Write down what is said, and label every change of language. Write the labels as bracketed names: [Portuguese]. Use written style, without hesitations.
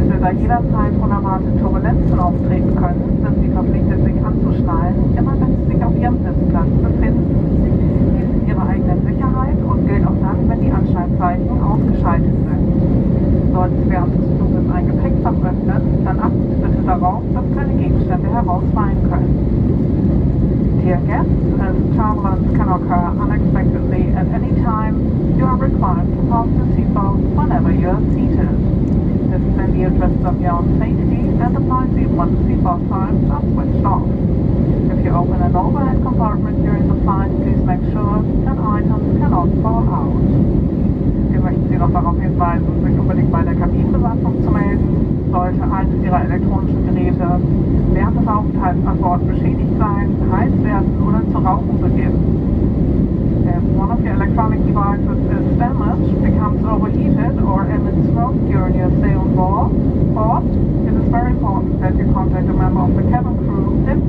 [German] jederzeit unerwartete Turbulenzen auftreten können, sind Sie verpflichtet, sich anzuschnallen, immer wenn Sie sich auf Ihrem Sitzplatz befinden. Dies ist Ihre eigene Sicherheit und gilt auch dann, wenn die Anschaltzeichen ausgeschaltet sind. Sollten Sie während des Fluges ein Gepäckfach öffnen, dann achten Sie bitte darauf, dass keine Gegenstände herausfallen können. [English] Dear guests, as turbulence can occur unexpectedly at any time, you are required to pass the seatbelt whenever you are seated. This is in the interest of your own safety and applies even when seatbelt signs are switched off. If you open an overhead compartment during the flight, please make sure that items cannot fall out. [German] Wir möchten Sie noch darauf hinweisen, sich unbedingt bei der Kabinenbewachung zu melden, sollte eines Ihrer elektronischen Geräte während des Aufenthalts an Bord beschädigt sein, heiß werden oder zu rauchen beginnen. [English] If one of your electronic devices is damaged, becomes overheated or emits smoke during your stay on board, it is very important that you contact a member of the cabin crew